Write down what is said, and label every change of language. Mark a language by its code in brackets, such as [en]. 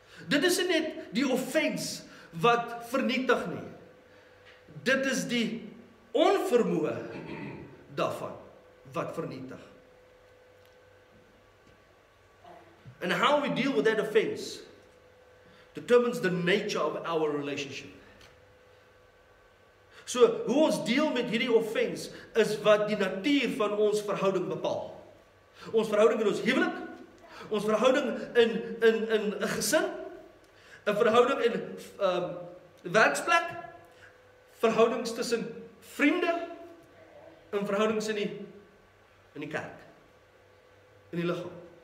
[af] Dit is net die offense wat vernietig nie. Dit is die onvermoë daarvan wat vernietig. [en] And how we deal with that offense determines the nature of our relationship. [af] So, hoe ons deel met hierdie offense is wat die natuur van ons verhouding bepaal. Ons verhouding in ons huwelik, ons verhouding in 'n gesin, 'n verhouding in 'n werksplek, verhoudings tussen vriende, en verhoudings in die kerk, in die liggaam.